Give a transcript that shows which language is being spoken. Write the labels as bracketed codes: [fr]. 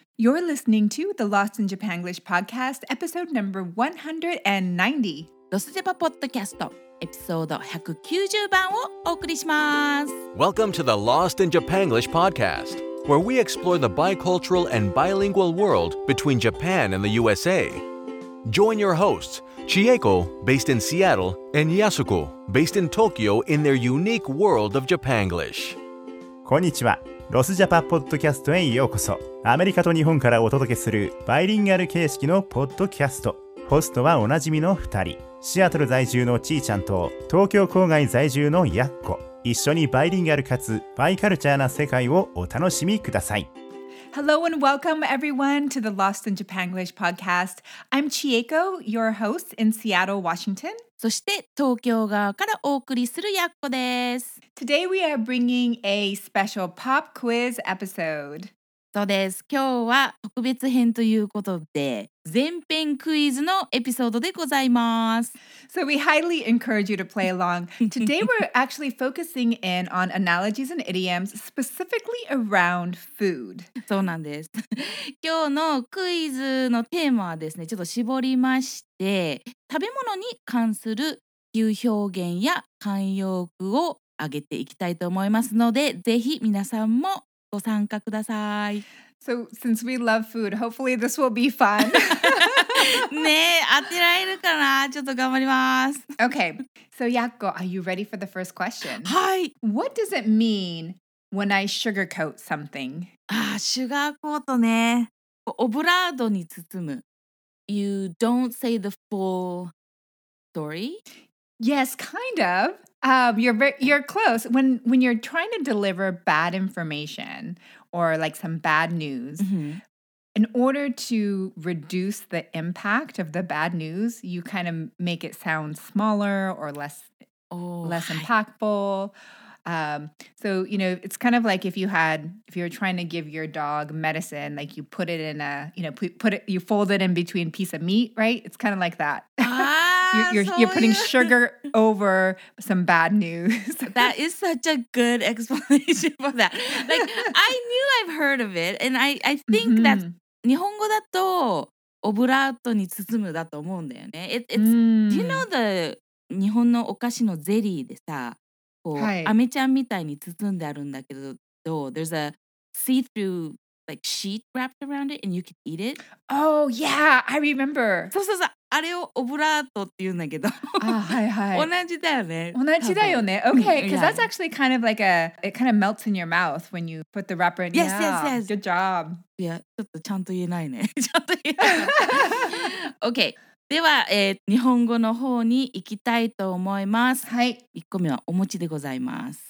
[en] You're listening to the Lost in Japanglish podcast, episode number 190. [ja] ロスジャパポッドキャスト、エピソード190番をお送りします。 [en] Welcome to the Lost in Japanglish podcast, where we explore the bicultural and bilingual world between Japan and the USA. Join your hosts, Chieko, based in Seattle, and Yasuko, based in Tokyo, in their unique world of Japanglish. [ja] こんにちは。ロスジャパポッドキャストへようこそ。アメリカと日本からお届けするバイリンガル形式のポッドキャスト。ホストはおなじみの2人、シアトル在住のちーちゃんと東京郊外在住のやっこ。一緒にバイリンガルかつバイカルチャーな世界をお楽しみください。 [en] Hello and welcome everyone to the Lost in Japanglish podcast. I'm Chieko, your host in Seattle, Washington. [ja] そして東京側からお送りするやっこです。 [en] Today we are bringing a special pop quiz episode. [ja] そうです。今日は特別編ということで、前編クイズのエピソードでございます。 [en] So we highly encourage you to play along. Today we're actually focusing in on analogies and idioms specifically around food. [ja] そうなんです。今日のクイズのテーマはですね、ちょっと絞りまして、食べ物に関する旧表現や慣用句を挙げていきたいと思いますので、ぜひ皆さんもご参加ください。 [en] So since we love food, hopefully this will be fun. [ja] ねえ、当てられるかな？ちょっと頑張ります。 [en] Okay, so Yakko, are you ready for the first question? [ja] はい。 [en] What does it mean when I sugarcoat something? [ja] ああ、シュガーコートね。オブラートに包む。 [en] You don't say the full story? Yes, kind of. You're close. When you're trying to deliver bad information or like some bad news, mm-hmm. in order to reduce the impact of the bad news, you kind of make it sound smaller or less impactful. So, you know, it's kind of like if you're trying to give your dog medicine, like you put it in a, you know, you fold it in between piece of meat, right? It's kind of like that. You're putting sugar over some bad news. That is such a good explanation for that. Like, I knew I've heard of it. And I think mm-hmm. [ja] that 日本語だとオブラートに包むだと思うんだよね。 [en] Do you know the [ja] 日本のお菓子のゼリーでさ、こう、はい、飴ちゃんみたいに包んであるんだけど、 [en] there's a see-through... like sheet wrapped around it and you can eat it. Oh yeah, I remember. [ja] そうそうそう、あれをオブラートって言うんだけど。同じだよね。同じだよね。 [en] Okay, because that's actually kind of like it kind of melts in your mouth when you put the wrapper in. Yes, yes, yes. Good job. [ja] いや、ちょっとちゃんと言えないね。ちゃんと言えない。Okay, では、日本語の方に行きたいと思います。はい。 1個目はお餅でございます。